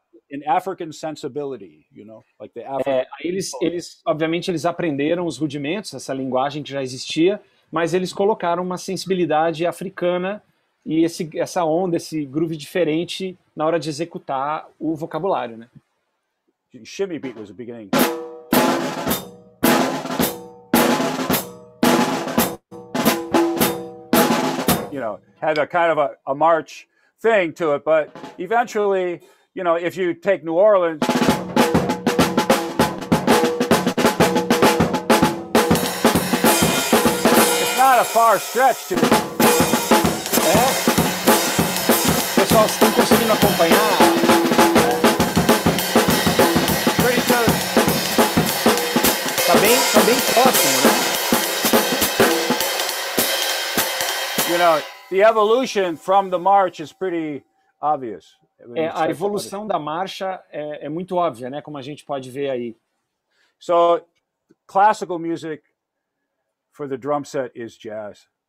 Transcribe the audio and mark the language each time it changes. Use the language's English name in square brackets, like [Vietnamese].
[English] an African sensibility, you know, like the African. [Portuguese] Eles aprenderam os rudimentos, essa linguagem que já existia, mas eles colocaram uma sensibilidade africana e essa onda, esse groove diferente na hora de executar o vocabulário, né? [English] Shimmy beat was the beginning. You know, had a kind of a march thing to it, but eventually, you know, if you take New Orleans, it's not a far stretch to it. [Portuguese] É? Pessoal, estão conseguindo acompanhar? [English] Pretty good. [Portuguese] Tá bem próximo, né? [English] You know, the evolution from the march is pretty obvious. [Portuguese] A evolução da marcha é muito óbvia, né? Como a gente pode ver aí. [English] So, classical music for the drum set is jazz.